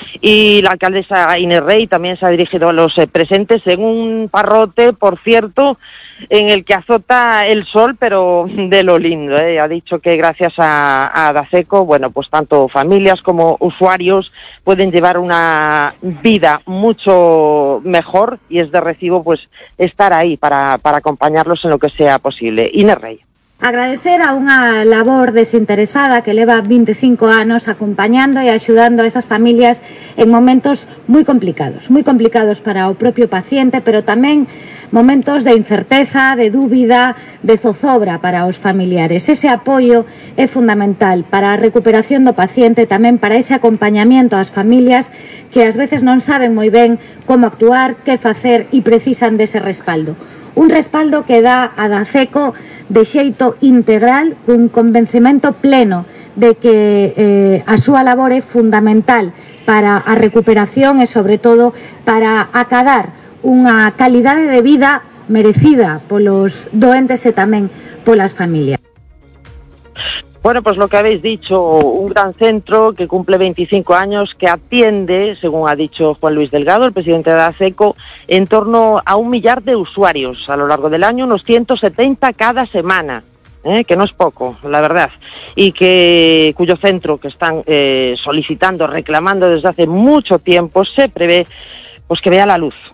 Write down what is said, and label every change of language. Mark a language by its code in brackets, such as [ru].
[es] Y la alcaldesa Inés Rey también se ha dirigido a los presentes en un parrote, por cierto, en el que azota el sol, pero de lo lindo, ¿eh? Ha dicho que gracias a Adaceco, bueno, pues tanto familias como usuarios pueden llevar una vida mucho mejor, y es de recibo pues estar ahí para acompañarlos en lo que sea posible. Inés Rey. [gl] Agradecer a unha labor desinteresada que leva 25 anos acompañando e axudando a esas familias en momentos moi complicados para o propio paciente, pero tamén momentos de incerteza, de dúbida, de zozobra para os familiares. Ese apoio é fundamental para a recuperación do paciente, tamén para ese acompañamiento ás familias que ás veces non saben moi ben como actuar, que facer e precisan dese respaldo. Un respaldo que dá a Adaceco de xeito integral, un convencemento pleno de que a súa labor é fundamental para a recuperación e, sobre todo, para acadar unha calidade de vida merecida polos doentes e tamén polas familias. [es] Bueno, pues lo que habéis dicho, un gran centro que cumple 25 años, que atiende, según ha dicho Juan Luis Delgado, el presidente de Adaceco, en torno a 1 millar de usuarios a lo largo del año, unos 170 cada semana, que no es poco, la verdad, y que cuyo centro que están solicitando, reclamando desde hace mucho tiempo, se prevé pues que vea la luz.